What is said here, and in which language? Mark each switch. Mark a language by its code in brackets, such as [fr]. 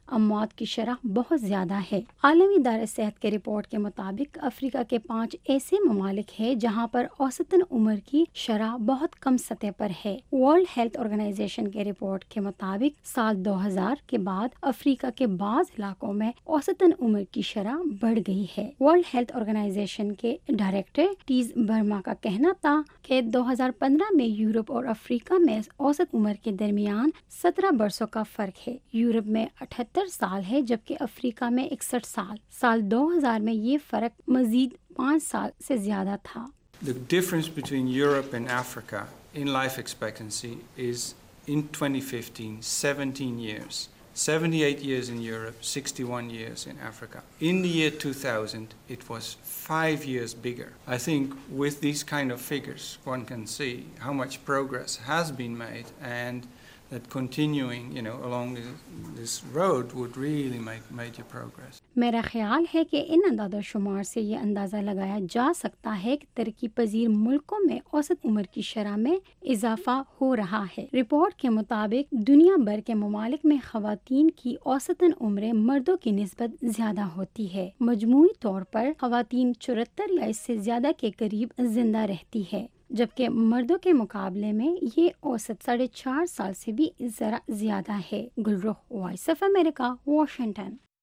[ur] اموات کی شرح بہت زیادہ ہے۔ عالمی ادارہ صحت کے رپورٹ کے مطابق افریقہ کے 5 ایسے ممالک ہیں جہاں پر اوسطاً عمر کی شرح بہت کم سطح پر ہے۔ ورلڈ ہیلتھ آرگنائزیشن کے رپورٹ کے مطابق سال 2000 کے بعد افریقہ کے بعض علاقوں میں اوسطاً عمر کی شرح بڑھ گئی ہے۔ ورلڈ ہیلتھ آرگنائزیشن کے ڈائریکٹر ٹیز برما کا کہنا تھا کہ 2015 میں یورپ اور افریقہ میں اوسط عمر کے درمیان 17 برسوں کا فرق ہے۔ یورپ میں 78 سال ہے جبکہ افریقہ میں 61 سال۔ سال 2000 میں یہ فرق مزید 5 سال سے زیادہ تھا۔ [en] The difference between Europe and Africa in life expectancy is in 2015 17 years. 78 years in Europe, 61 years in Africa. In the year 2000, it was 5 years bigger. I think with these kind of figures, one can see how much progress has been made and that continuing, you know, along this road would really make major progress. [ur] میرا خیال ہے کہ ان اعداد و شمار سے یہ اندازہ لگایا جا سکتا ہے کہ ترقی پذیر ملکوں میں اوسط عمر کی شرح میں اضافہ ہو رہا ہے۔ رپورٹ کے مطابق دنیا بھر کے ممالک میں خواتین کی اوسطاً عمریں مردوں کی نسبت زیادہ ہوتی ہے۔ مجموعی طور پر خواتین 74 یا اس سے زیادہ کے قریب زندہ رہتی ہے، جبکہ مردوں کے مقابلے میں یہ اوسط 4.5 سال سے بھی ذرا زیادہ ہے۔ Gulrukh, voice of America, Washington.